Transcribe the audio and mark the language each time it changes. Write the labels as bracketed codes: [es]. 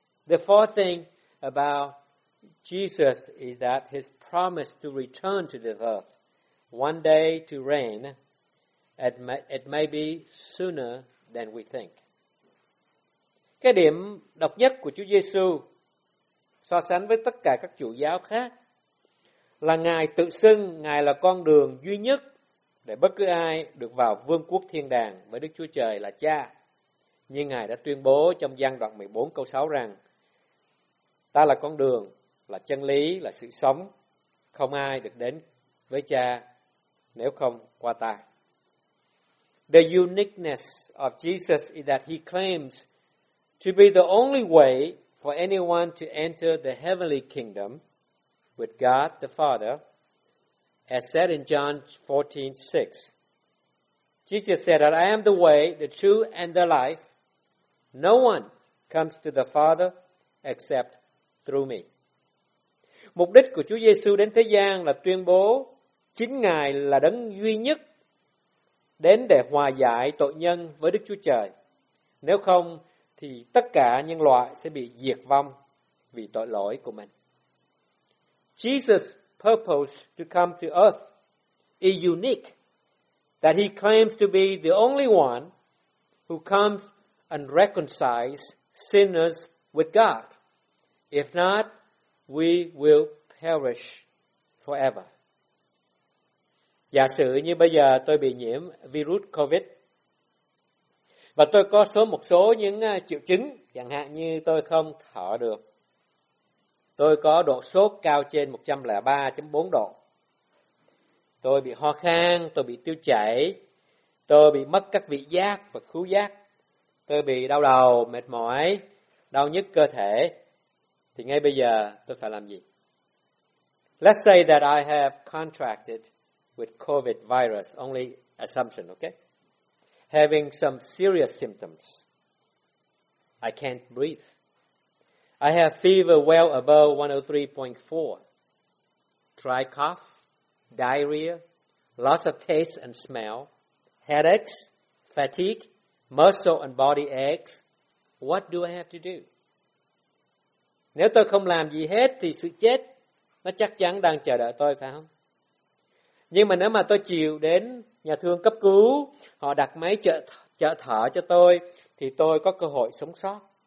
[en] The fourth thing about Jesus is that his promise to return to this earth one day to reign, it may be sooner than we think. [vi] Cái điểm độc nhất của Chúa Giêsu so sánh với tất cả các chủ giáo khác là Ngài tự xưng Ngài là con đường duy nhất để bất cứ ai được vào vương quốc thiên đàng với Đức Chúa Trời là Cha. Như Ngài đã tuyên bố trong gian đoạn 14 câu 6 rằng, ta là con đường, là chân lý, là sự sống, không ai được đến với Cha nếu không qua ta. [en] The uniqueness of Jesus is that he claims to be the only way for anyone to enter the heavenly kingdom with God the Father, as said in John 14:6. Jesus said that I am the way, the truth, and the life. No one comes to the Father except through me. [vi] Mục đích của Chúa Giêsu đến thế gian là tuyên bố chính Ngài là đấng duy nhất đến để hòa giải tội nhân với Đức Chúa Trời. Nếu không thì tất cả nhân loại sẽ bị diệt vong vì tội lỗi của mình. [en] Jesus' purpose to come to earth is unique, that he claims to be the only one who comes and reconciles sinners with God. If not, we will perish forever. [vi] Giả sử như bây giờ tôi bị nhiễm virus COVID và tôi có một số những triệu chứng, chẳng hạn như tôi không thở được. Tôi có độ sốt cao trên 103.4 độ. Tôi bị ho khan, tôi bị tiêu chảy, tôi bị mất các vị giác và khứu giác. Tôi bị đau đầu, mệt mỏi, đau nhức cơ thể. Thì ngay bây giờ tôi phải làm gì? [en] Let's say that I have contracted with COVID virus, only assumption, okay? Having some serious symptoms. I can't breathe. I have fever well above 103.4. Dry cough, diarrhea, loss of taste and smell, headaches, fatigue, muscle and body aches. What do I have to do? [vi] Nếu tôi không làm gì hết thì sự chết nó chắc chắn đang chờ đợi tôi, phải không? Nhưng mà nếu mà tôi chịu đến nhà thương cấp cứu, họ đặt máy trợ thở cho tôi thì tôi có cơ hội sống sót.